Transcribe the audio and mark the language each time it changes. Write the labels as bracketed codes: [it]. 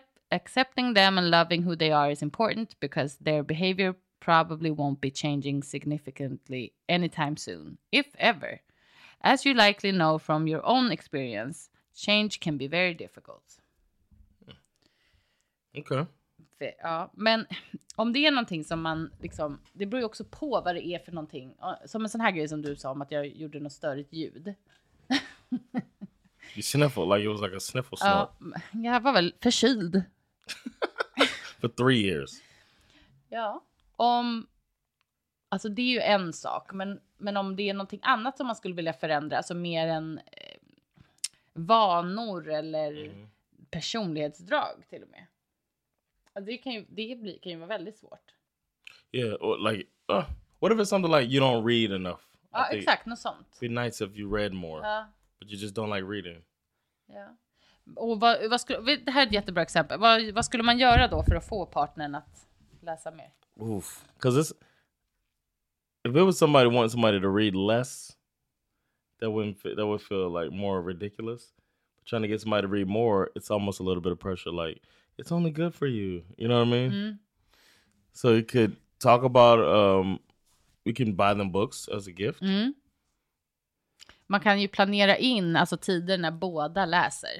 [en] Accepting them and loving who they are is important because their behavior probably won't be changing significantly anytime soon, if ever. As you likely know from your own experience, change can be very difficult. Okay. [sv] Ja, men om det är någonting som man liksom, det beror ju också på vad det är för någonting. Som en sån här grej som du sa om att jag gjorde något större ljud. [en] You sniffle, like it was like a sniffle snort. [sv] Ja, jag var väl förkyld. [en] For 3 years. [sv] Ja, om, alltså det är ju en sak, men om det är någonting annat som man skulle vilja förändra, alltså mer än vanor eller personlighetsdrag till och med. Alltså det kan ju vara väldigt svårt. [en] Yeah, or like, what if it's something like you don't read enough? [sv] Ja, exakt, något sånt. [en] It'd be nice if you read more, but you just don't like reading. [sv] Ja. Och vad skulle, det här är ett jättebra exempel. Vad skulle man göra då för att få partnern att läsa mer? [en] Oof, because this, if it was somebody wanting somebody to read less, that would feel like more ridiculous. But trying to get somebody to read more, it's almost a little bit of pressure. Like, it's only good for you. You know what I mean? Mm. So you could talk about, we can buy them books as a gift. Mm. [sv] Man kan ju planera in, alltså tider när båda läser.